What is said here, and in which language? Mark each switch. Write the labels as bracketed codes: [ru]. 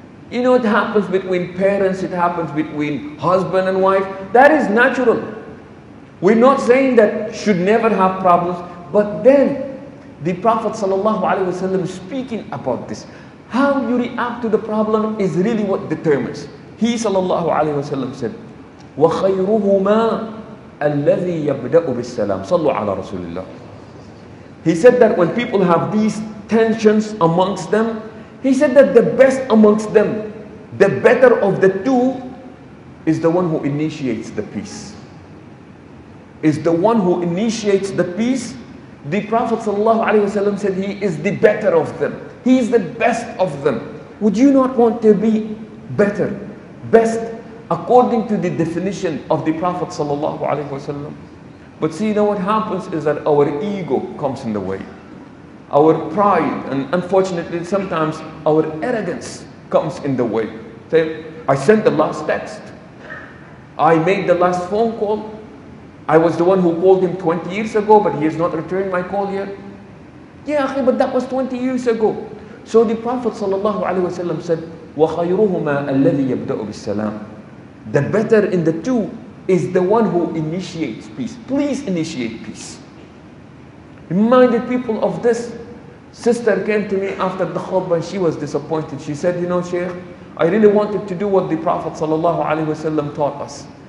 [en] You know, it happens between parents, it happens between husband and wife. That is natural. We're not saying that should never have problems. But then, the Prophet ﷺ speaking about this, how you react to the problem is really what determines. He ﷺ said, [ar] وَخَيْرُهُمَا أَلَّذِي يَبْدَأُ بِالسَّلَامِ صَلُّ عَلَىٰ رَسُولِ اللَّهِ. [en] He said that when people have these tensions amongst them, he said that the best amongst them, the better of the two, is the one who initiates the peace. Is the one who initiates the peace. The Prophet ﷺ said he is the better of them. He is the best of them. Would you not want to be better, best, according to the definition of the Prophet ﷺ? But see, you know what happens is that our ego comes in the way. Our pride, and unfortunately sometimes our arrogance, comes in the way. Say, I sent the last text. I made the last phone call. I was the one who called him 20 years ago, but he has not returned my call yet. Yeah, but that was 20 years ago. So the Prophet ﷺ said, [ar] وَخَيْرُهُمَا أَلَّذِي يَبْدَأُ بِالسَّلَامِ. [en] The better in the two is the one who initiates peace. Please initiate peace. Reminded people of this. Sister came to me after the khutbah and she was disappointed. She said, you know, Shaykh, I really wanted to do what the Prophet sallallahu alaihi wasallam taught us.